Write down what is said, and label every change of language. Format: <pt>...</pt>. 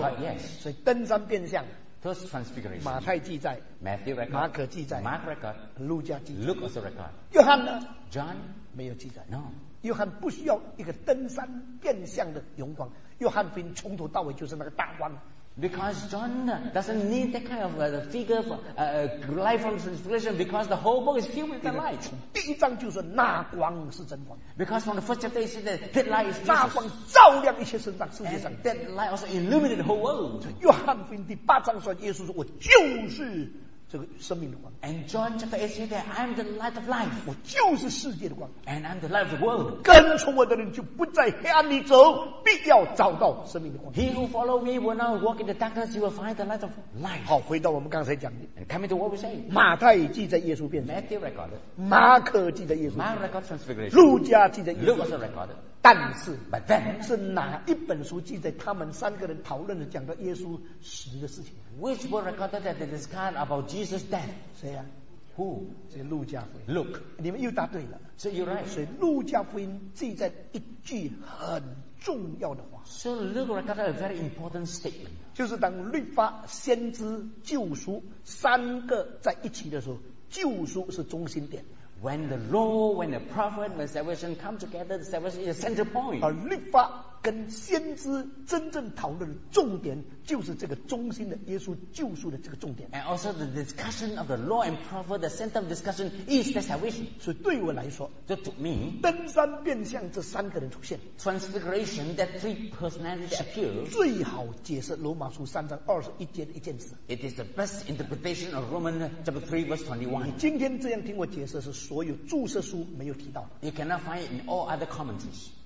<en>cut, yes.</en> <zh>所以登山变相。</zh> <en>First transfiguration.</en> <zh>马太记载。</zh> <en>Matthew record.</en> <zh>马可记载。</zh> <en>Mark record.</en> <zh>路加记载。</zh> <en>Luke also record.</en> <zh>约翰呢</zh> <en>？John</en> <zh>没有记载。</zh> <en>No.</en> <zh>约翰不需要一个登山变相的勇光。约翰福音从头到尾就是那个大光。</zh> <en>Because John doesn't need that kind of the figure for a life from transfiguration because the whole book is filled with the light.</en> <zh>第一章就是那光是真光。</zh> <en>Because from the first chapter it says that that light is Jesus.</en> <zh>那光照亮一切身上世界上。</zh> <en>And that light also illuminated the whole world.</en> <zh>约翰福音第八章说耶稣说我就是这个生命的光。</zh> <en>And John chapter 8 says that I'm the light of life.</en> <zh>我就是世界的光。</zh> <en>And I'm the light of the world.</en> <zh>跟从我的人就不在黑暗里走，必要找到生命的光。</zh> <en>He who follow me will not walk in the darkness, he will find the light of life.</en> <zh>好，回到我们刚才讲的。</zh> <en>And coming to what we say.</en> <zh>马太记载耶稣变</zh> <en>成。Matthew recorded.</en> <zh>马可记载耶稣。</zh> <en>Mark record transfiguration.</en> <zh>路加记载耶稣。</zh> <en>Luke also recorded.</en> <zh>但是</zh> <en>But then,</en> <zh>是哪一本书记载他们三个人讨论的讲到耶稣死的事情</zh> <en>Which book recorded that they discussed about Jesus' death?</en> <zh>谁啊</zh> <en>Who?</en> <zh>是路加福音</zh> <en>Look</en> <zh>你们又答对了</zh> <en>So you're right</en> <zh>所以路加福音记载一句很重要的话</zh> <en>So Luke recorded a very important statement</en> <zh>就是当律法先知救赎三个在一起的时候救赎是中心点</zh> <en>When the law, when the prophet, when salvation come together, the salvation is a center point.</en> <zh>而律法跟先知真正讨论的重点就是这个中心的耶稣救赎的这个重点。</zh> <en>And also the discussion of the law and prophet, the center of discussion is the salvation.</en> <zh>所以对我来说</zh> <en>so to me,</en> <zh>登山变相这三个人出现</zh> <en>transfiguration, that three personalities appear,</en> <zh>最好解释罗马书三章二十一节的一件事。</zh> <en>It is the best interpretation of Romans chapter 3 verse 21.</en> <zh>今天这样听我解释是所有注释书没有提到的。</zh> <en>You cannot find it in all other commentaries.</en>